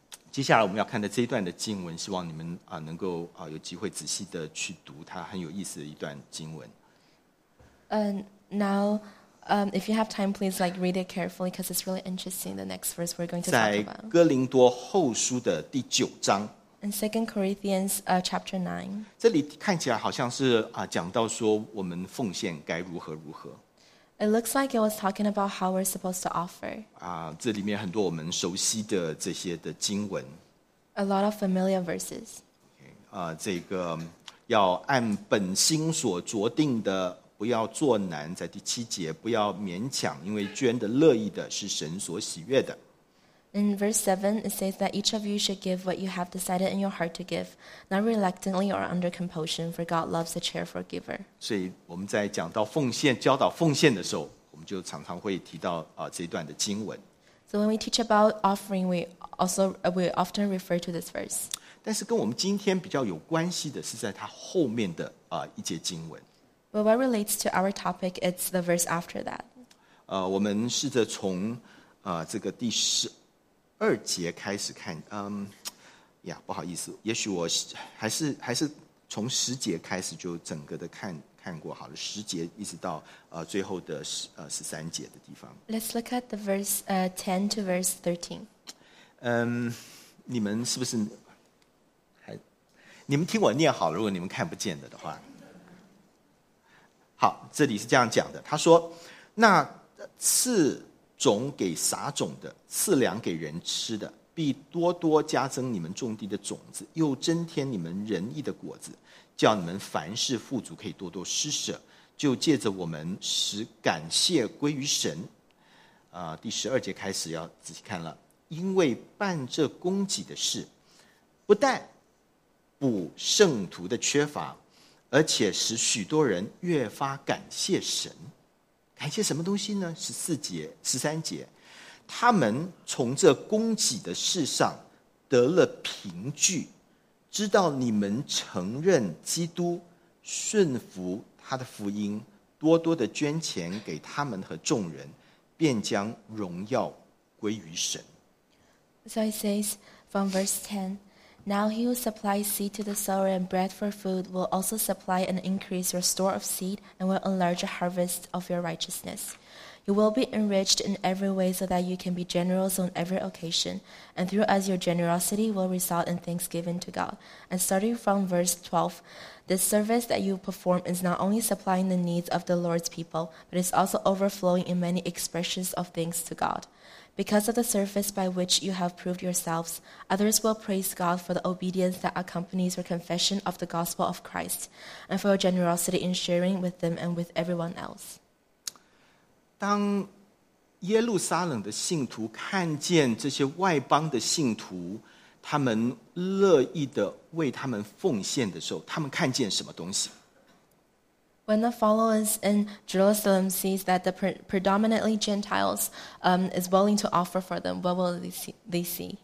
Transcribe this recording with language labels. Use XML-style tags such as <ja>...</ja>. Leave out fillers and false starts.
<zh>接下来我们要看的这一段的经文，希望你们能够有机会仔细的去读它，很有意思的一段经文。</zh> <en>Now, if you have time, please like read it carefully because it's really interesting. The next verse we're going to talk about.</en> <zh>在哥林多后书的第九章。</zh> <en>In Second Corinthians, chapter 9.</en> <zh>这里看起来好像是讲到说我们奉献该如何如何。</zh> <en>It looks like it was talking about how we're supposed to offer.</en> <zh>这里面很多我们熟悉的这些的经文。</zh> <en>A lot of familiar verses.</en> <zh>这个要按本心所酌定的，不要作难，在第七节，不要勉强，因为捐的乐意的是神所喜悦的。</zh> <en>In verse 7, it says that each of you should give what you have decided in your heart to give, not reluctantly or under compulsion, for God loves a cheerful giver.</en> <zh>所以我们在讲到奉献、教导奉献的时候，我们就常常会提到这段的经文。</zh> <en>So when we teach about offering, we often refer to this verse.</en> <zh>但是跟我们今天比较有关系的是在它后面的一节经文。</zh> <en>But what relates to our topic, it's the verse after that.</en> <zh>我们试着从这个第十二节开始看，不好意思，也许我还是从十节开始就整个的看过好了，十节一直到最后的十三节的地方。</zh> <en>Let's look at the verse 10 to verse 13.</en> <zh>你们是不是你们听我念好了，如果你们看不见的话，好，这里是这样讲的，他说，那是。种给撒种的，赐粮给人吃的，必多多加增你们种地的种子，又增添你们仁义的果子，叫你们凡事富足，可以多多施舍，就借着我们使感谢归于神。第十二节开始要仔细看了，因为办这供给的事，不但补圣徒的缺乏，而且使许多人越发感谢神。感谢什么东西呢？十四节、十三节，他们从这供给的事上得了凭据，知道你们承认基督，顺服他的福音，多多的捐钱给他们和众人，便将荣耀归于神。</zh> <en>So it says from verse 10, Now he who supplies seed to the sower and bread for food will also supply and increase your store of seed and will enlarge a harvest of your righteousness. You will be enriched in every way so that you can be generous on every occasion, and through us your generosity will result in thanksgiving to God. And starting from verse 12, the service that you perform is not only supplying the needs of the Lord's people, but is also overflowing in many expressions of thanks to God. Because of the service by which you have proved yourselves, others will praise God for the obedience that accompanies your confession of the gospel of Christ, and for your generosity in sharing with them and with everyone else.</en> <zh>当耶路撒冷的信徒看见这些外邦的信徒，他们乐意的为他们奉献的时候，他们看见什么东西？</zh> <en>When the followers in Jerusalem sees that the predominantly Gentiles is willing to offer for them, what will they see?</en>